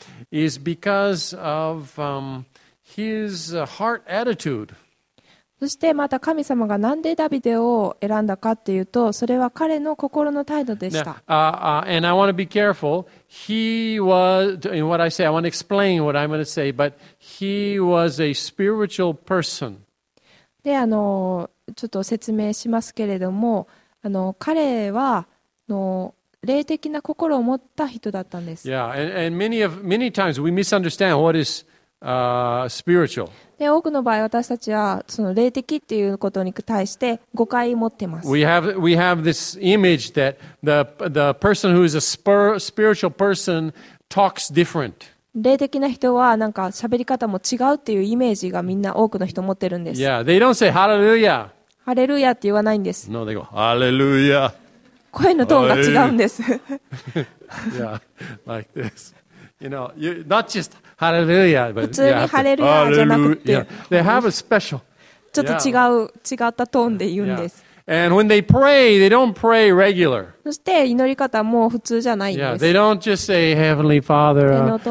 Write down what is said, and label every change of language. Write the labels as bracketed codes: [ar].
[en] Is because of his heart attitude. [ja] そしてまた神様がなんでダビデを選んだかっていうと、それは彼の心の態度でした。 [en] And I want to be careful. He was, in what I say, I want to explain what I'm going to say, but he was a spiritual person. [ja] で、ちょっと説明しますけれども、彼は、霊的な心を持った人だったんです。 [en] Yeah, and many times we misunderstand what is,spiritual. [ja] で多くの場合私たちはその霊的っていうことに対して誤解持ってます。 [en] We have this image that the person who is a spiritual person talks different. [ja] 霊的な人はなんか喋り方も違うっていうイメージがみんな多くの人持ってるんです。 [en] Yeah, they don't say hallelujah. [ja] ハレルヤって言わないんです。 [en] No, they go hallelujah. [ja] 声のトーンが違うんです。 [en] yeah, like this. You know, you not just. Hallelujah, but [ja] 普通にハレルヤじゃなくて、yeah. [en] they have a special. [ja] ちょっと違う、yeah. 違ったトーンで言うんです。 [en] Yeah. And when they pray, they don't pray regular. [ja] そして祈り方も普通じゃないんです。 [en] Yeah. They don't just say Heavenly Father.